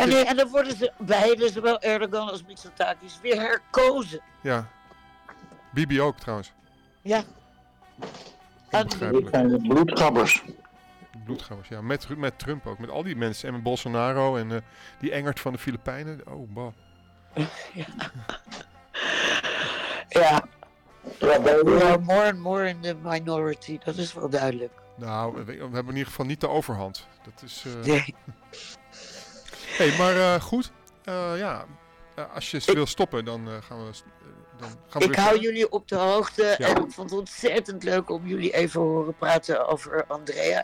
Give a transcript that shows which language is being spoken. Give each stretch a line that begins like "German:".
Dutch: Ja, nee, en dan worden ze beide, zowel Erdogan als Mitsotakis, weer herkozen. Ja. Bibi ook, trouwens. Ja. Onbegrijpelijk. Die zijn de bloedgabbers. Bloedgabbers, ja. Met Trump ook. Met al die mensen. En met Bolsonaro en die Engert van de Filipijnen. Oh, bah. Ja. Ja.
English: We are more and more in the minority.
Dutch: Dat is wel duidelijk. Nou, we hebben in ieder geval niet de overhand. Dat is... Nee. Hey, maar goed. Ja, als je ze wil stoppen, dan gaan we... Ik hou jullie op de hoogte. Ja. En ik vond het ontzettend leuk om jullie even horen praten over Andrea.